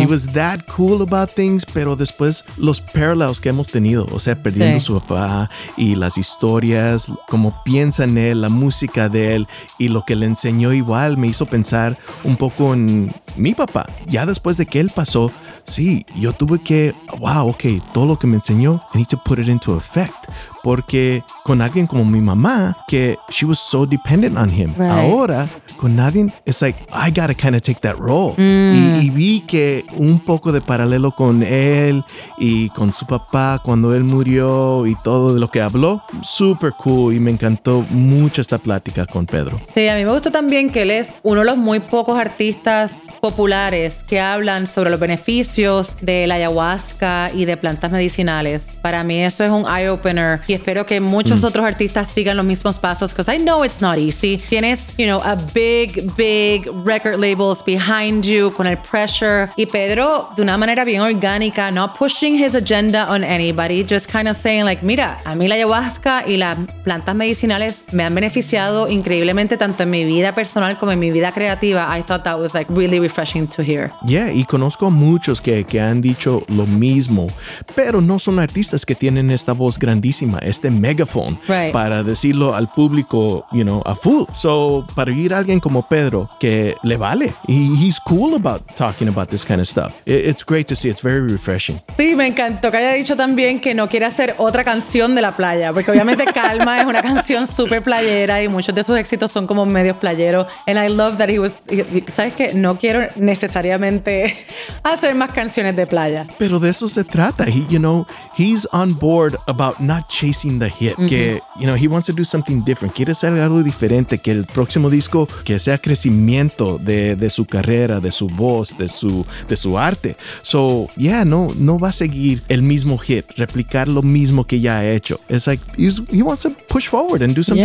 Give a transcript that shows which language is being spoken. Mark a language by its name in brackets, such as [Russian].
[English] He was that cool about things, [Spanish] pero después los parallels que hemos tenido, o sea, perdiendo sí. su papá y las historias, cómo piensa en él, la música de él y lo que le enseñó igual, me hizo pensar un poco en mi papá. Ya después de que él pasó, sí, yo tuve que, wow, ok, todo lo que me enseñó, [English] I need to put it into effect. [Spanish] Porque con alguien como mi mamá, que [English] she was so dependent on him. Right. [Spanish] Ahora, con nadie, [English] it's like, I gotta kind of take that role. Mm. [Spanish] Y vi que un poco de paralelo con él y con su papá cuando él murió y todo de lo que habló, [English] super cool. [Spanish] Y me encantó mucho esta plática con Pedro. Sí, a mí me gustó también que él es uno de los muy pocos artistas populares que hablan sobre los beneficios de la ayahuasca y de plantas medicinales. Para mí eso es un eye-opener. Y espero que muchos otros artistas sigan los mismos pasos, [English] because I know it's not easy. [Spanish] Tienes, [English] you know, a big, big record labels behind you [Spanish] con el [English] pressure. [Spanish] Y Pedro, de una manera bien orgánica, [English] not pushing his agenda on anybody, just kind of saying like, [Spanish] mira, a mí la ayahuasca y las plantas medicinales me han beneficiado increíblemente tanto en mi vida personal como en mi vida creativa. [English] I thought that was like really refreshing to hear. [Spanish] Yeah, y conozco a muchos que han dicho lo mismo, pero no son artistas que tienen esta voz grandísima. Este megaphone [English] right. [Spanish] para decirlo al público, you know, a full. So, para oír a alguien como Pedro que le vale. [English] He's cool about talking about this kind of stuff. It's great to see. It's very refreshing. [Spanish] Sí, me encantó que haya dicho también que no quiere hacer otra canción de la playa, porque obviamente Calma es una canción súper playera y muchos de sus éxitos son como medios playeros. [English] And I love that he was... [Spanish] ¿Sabes qué? No quiero necesariamente hacer más canciones de playa. Pero de eso se trata. [English] He, you know, he's on board about not chasing the hit, mm-hmm. [Spanish] que, [English] you know, he wants to do something different. [Spanish] Quiere hacer algo diferente, que el próximo disco que sea crecimiento de su carrera, de su voz, de su arte. So, yeah, no va a seguir el mismo hit, replicar lo mismo que ya ha hecho. [English] It's like, he wants to push forward and do something